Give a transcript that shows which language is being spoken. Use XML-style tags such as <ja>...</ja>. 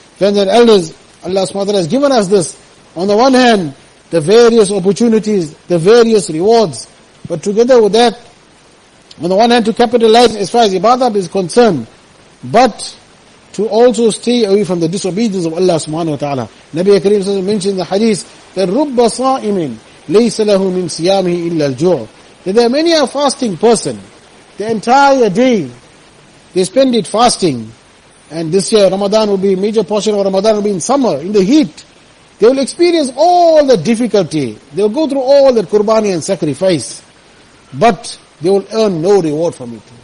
<en>Friends and elders, Allah subhanahu wa ta'ala has given us this. On the one hand, the various opportunities, the various rewards. But together with that, on the one hand, to capitalize as far as ibadah is concerned, but to also stay away from the disobedience of Allah subhanahu wa ta'ala. Nabi Kareem says, mentioned the hadith that</en> <ar>رُبَّ صَائِمٍ لَيْسَ لَهُ مِنْ سِيَامِهِ إِلَّا الْجُوعِ.</ar> <en>That there are many a fasting person, the entire day they spend it fasting, and this year Ramadan will be, major portion of Ramadan will be in summer, in the heat. They will experience all the difficulty. They will go through all the qurbani and sacrifice, but they will earn no reward from it.</en>